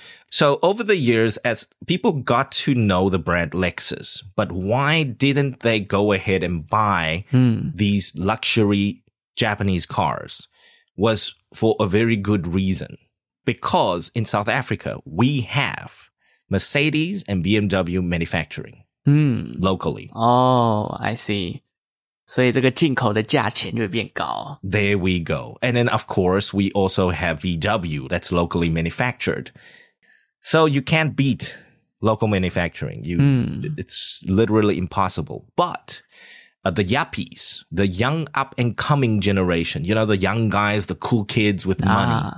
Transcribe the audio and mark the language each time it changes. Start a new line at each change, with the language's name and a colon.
English: So over the years, as people got to know the brand Lexus, but why didn't they go ahead and buy these luxury Japanese cars? Was for a very good reason. Because in South Africa, we have Mercedes and BMW manufacturing locally. Oh, I see.
Chinese: 所以这个进口的价钱就会变高.
English: There we go. And then, of course, we also have VW that's locally manufactured. So you can't beat local manufacturing. It's literally impossible. But the yuppies, the young up-and-coming generation, you know, the young guys, the cool kids with money,